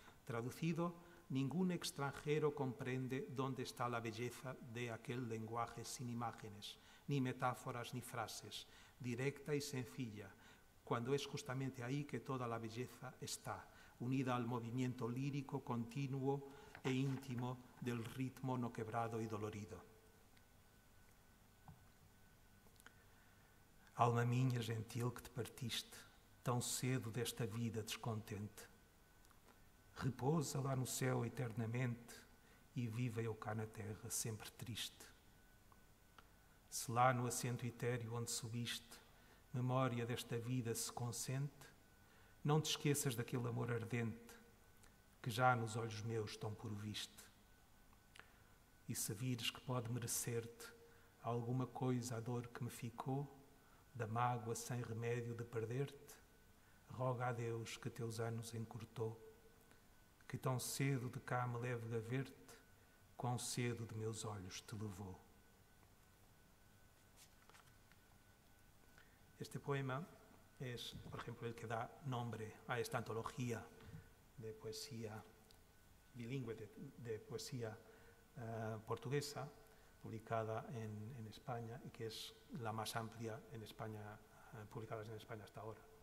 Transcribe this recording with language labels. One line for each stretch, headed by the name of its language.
Spanish: Traducido: «Ningún extranjero comprende dónde está la belleza de aquel lenguaje sin imágenes, ni metáforas ni frases, directa y sencilla, cuando es justamente ahí que toda la belleza está, unida al movimiento lírico continuo e íntimo del ritmo no quebrado y dolorido».
Portuguese: «Alma miña gentil que te partiste tão cedo desta vida descontente, repousa lá no céu eternamente e vive eu cá na terra sempre triste. Se lá no assento etéreo onde subiste memória desta vida se consente, não te esqueças daquele amor ardente que já nos olhos meus tão por viste. E se vires que pode merecer-te alguma coisa a dor que me ficou da mágoa sem remédio de perder-te, roga a Deus que teus anos encurtou, que tão cedo de cá me leve a ver-te, quão cedo de meus olhos te levou».
Spanish: Este poema es, por ejemplo, el que da nombre a esta antología de poesía bilingüe, de poesía portuguesa, publicada en España, y que es la más amplia en España, publicada en España hasta ahora.